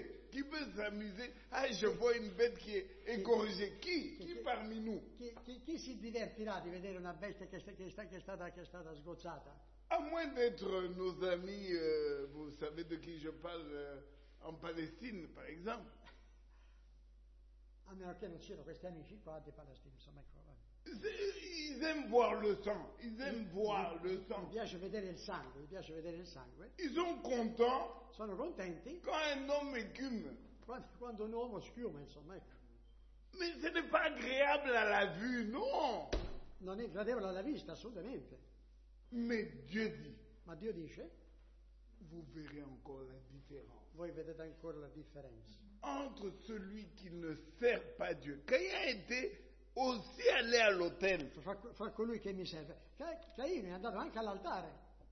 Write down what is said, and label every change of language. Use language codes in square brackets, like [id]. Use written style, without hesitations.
[fr] chi peut s'amuser, ah je vois une bête qui est égorgée, chi parmi nous, [it] chi si divertirà di vedere una bestia che è stata sgozzata, [fr] à moins d'être nos amis, vous savez de qui je parle, en Palestine par exemple. [it] A meno che non siano questi amici qua di Palestina, insomma, ecco. [fr] Ils aiment voir le sang. Ils aiment voir le sang. [it] Mi piace vedere il sangue. Mi piace vedere il sangue. [fr] Ils sont contents. [it] Sono contenti. [fr] Quand un homme écume. [it] Quando un uomo schiuma, insomma, ecco. [fr] Mais ce n'est pas agréable à la vue, non. [it] Non è gradevole alla vista, assolutamente. [fr] Mais Dieu dit. [it] Ma Dio dice. [fr] Vous verrez encore la différence. [it] Voi vedete ancora la differenza. [fr] Entre celui qui ne sert pas Dieu. Caïn a été aussi allé à l'autel. [it] Fra colui che mi serve. Caïn è andato anche all'altare.